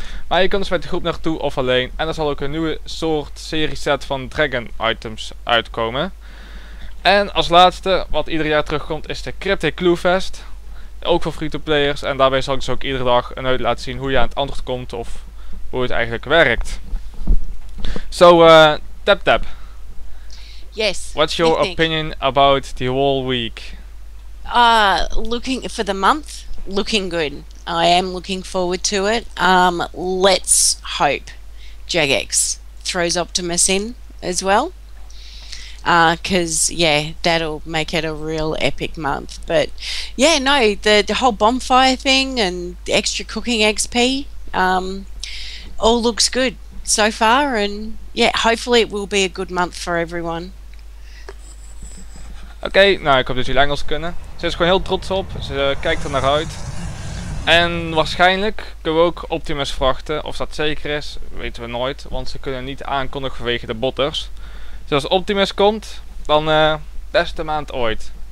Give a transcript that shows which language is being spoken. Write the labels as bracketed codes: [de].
[nl] Maar je kan dus met de groep naartoe of alleen. En er zal ook een nieuwe soort serie set van Dragon items uitkomen. En als laatste, wat ieder jaar terugkomt, is de Cryptic Clue Fest. Ook voor free-to-players. En daarbij zal ik dus ook iedere dag een uit laten zien hoe je aan het antwoord komt of hoe het eigenlijk werkt. Zo, Tap-Tap. [en] Yes. What's your opinion about the whole week? Looking for the month, looking good. I am looking forward to it. Let's hope Jagex throws Optimus in as well. Because, yeah, that'll make it a real epic month. But, yeah, no, the whole bonfire thing and the extra cooking XP, all looks good so far. And, yeah, hopefully it will be a good month for everyone. [nl] Okay, nou, ik hoop dat jullie Engels kunnen. Ze is gewoon heel trots op, ze kijkt er naar uit. En waarschijnlijk kunnen we ook Optimus vrachten, of dat zeker is, weten we nooit. Want ze kunnen niet aankondigen vanwege de botters. Dus als Optimus komt, dan beste maand ooit.